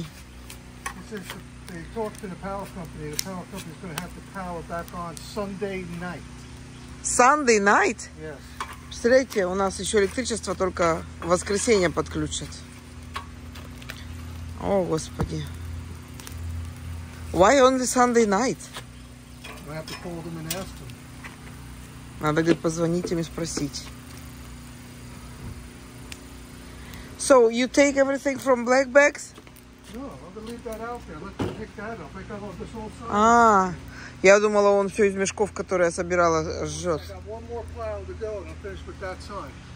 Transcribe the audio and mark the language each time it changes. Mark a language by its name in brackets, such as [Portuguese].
[English] He says they talked to the power company. The power company is going to have the power back on Sunday night. Sunday night? Yes. [Russian] Представляете, у нас еще электричество только в воскресенье подключат. О, Господи. [English] Why only Sunday night? We have to call them and ask them. [Russian] Надо, говорит, позвонить им и спросить. [English] So you take everything from black bags? No, I'm gonna leave that out there. Let them pick that up. Pick up this whole side. [Russian] А, я думала, он все из мешков, которые я собирала, жжет. [English] I got one more pile to go, and I'll finish with that side.